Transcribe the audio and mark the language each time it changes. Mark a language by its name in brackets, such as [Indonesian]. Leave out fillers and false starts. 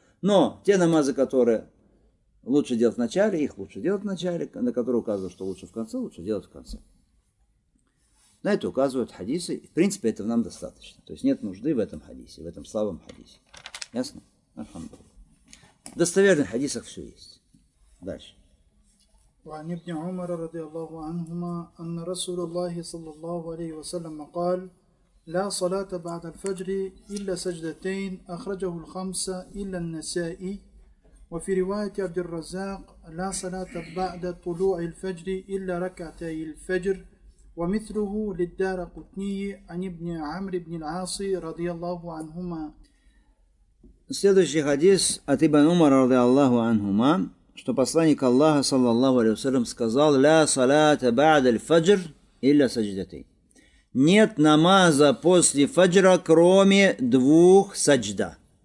[Russian] Но те намазы, которые лучше делать в начале, их лучше делать в начале, на которые указывают, что лучше в конце, лучше делать в конце. На это указывают хадисы. В принципе, этого нам достаточно. То есть нет нужды в этом хадисе, в этом слабом хадисе. Ясно? Альхамдулиллах. В достоверных хадисах все есть. Дальше. [Arabic] وعن ابن عمر رضي الله عنهما أن رسول الله صلى الله عليه وسلم قال لا صلاة بعد الفجر إلا سجدتين أخرجه الخمسة إلا النسائي وفي رواية عبد الرزاق لا صلاة بعد طلوع الفجر إلا ركعتي الفجر ومثله للدارقطني عن ابن عمرو بن العاص رضي الله عنهما. [Russian] Следующий хадис от ابن عمر رضي الله عنهما, что посланник Аллаха, саллаллаху алейхи ва саллям, сказал [Arabic] «Ля салата ба'да аль-фаджр илля садждатейн». [Russian] Нет намаза после фаджра, кроме двух саджда.